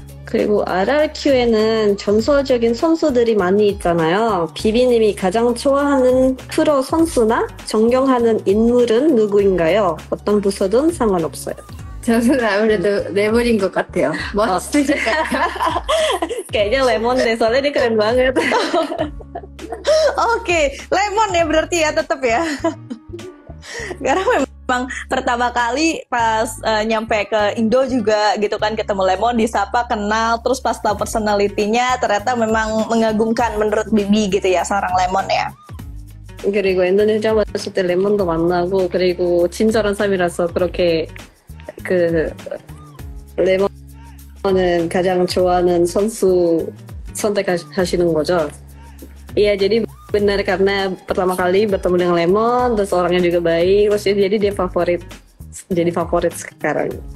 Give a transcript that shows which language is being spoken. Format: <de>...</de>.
<ko>그리고 RRQ에는 전설적인 선수들이 많이 있잖아요. 비비님이 가장 좋아하는 프로 선수나 존경하는 인물은 누구인가요? 어떤 부서든 상관없어요. 저는 아무래도 레몬인 것 같아요. 멋있으실 것 같아요. 그냥 레몬인데 솔직히</ko> <id>keren banget.</id> <ko>오케이,</ko> <id>레몬 ya berarti ya, tetap ya.</id> <ko>그러면</ko> <id>emang pertama kali pas nyampe ke Indo juga gitu kan, ketemu Lemon, disapa, kenal, terus pas tahu personalitinya ternyata memang mengagumkan menurut Bibi gitu ya, seorang Lemon ya.</id> <ko>그리고 인도네시아 왔을 때 레몬도 만나고 그리고 친절한 사람이라서 그렇게 그 레몬은 가장 좋아하는 선수 선택하시는 거죠. 예, 제리</ko> <id>benar karena pertama kali bertemu dengan Lemon, terus orangnya juga baik, terus jadi dia favorit sekarang.</id>